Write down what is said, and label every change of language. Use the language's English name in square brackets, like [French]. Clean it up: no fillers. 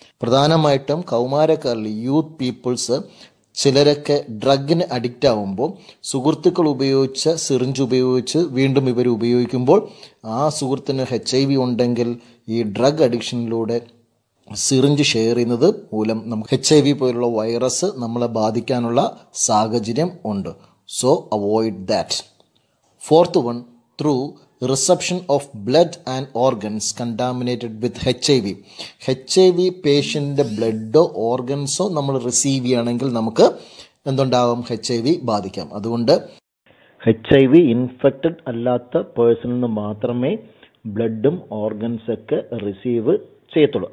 [Malayalam] പ്രധാനമായിട്ടും കൗമാരക്കാരിൽ youth people's ചിലരൊക്കെ ഡ്രഗിന് addict ആകുമ്പോൾ സുഹൃത്തുക്കൾ ഉപയോഗിച്ച സിറിഞ്ച് ഉപയോഗിച്ച് വീണ്ടും ഇവർ ഉപയോഗിക്കുമ്പോൾ ആ സുഹൃത്തിന് HIV ഉണ്ടെങ്കിൽ ഈ ഡ്രഗ് അഡിക്ഷനിലൂടെ സിറിഞ്ച് ഷെയർ ചെയ്യുന്നത് മൂലം നമുക്ക് HIV പോലുള്ള വൈറസ് നമ്മളെ ബാധിക്കാനുള്ള സാഹചര്യം ഉണ്ട്. [English] So avoid that. Fourth one, through reception of blood and organs contaminated with HIV. [Malayalam] HIV patient blood organs so നമ്മൾ റിസീവ് ചെയ്യാനെങ്കിൽ നമുക്ക് എന്തുണ്ടാവും HIV ബാധിക്കാം. അതുകൊണ്ട് HIV ഇൻഫെക്റ്റഡ് അല്ലാത്ത പേഴ്സണിൽ നിന്ന് മാത്രമേ ബ്ലഡും ഓർഗൻസൊക്കെ റിസീവ് ചെയ്യത്തുള്ളൂ.